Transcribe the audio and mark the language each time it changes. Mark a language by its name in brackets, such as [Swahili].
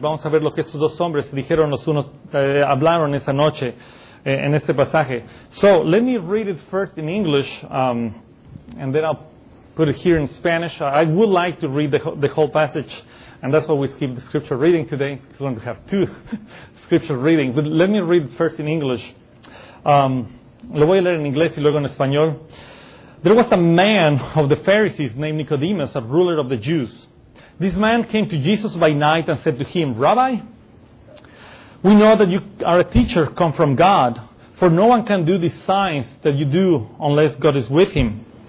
[Spanish] Vamos a ver lo que estos dos hombres dijeron los unos, hablaron esa noche en este pasaje. [English] So let me read it first in English, and then I'll put it here in Spanish. I would like to read the whole passage, and that's why we skip the scripture reading today, because we're going to have two scripture readings. But let me read first in English. [Spanish] Lo voy a leer en inglés y luego en español. [English] There was a man of the Pharisees named Nicodemus, a ruler of the Jews. This man came to Jesus by night and said to him, "Rabbi, we know that you are a teacher come from God, for no one can do these signs that you do unless God is with him."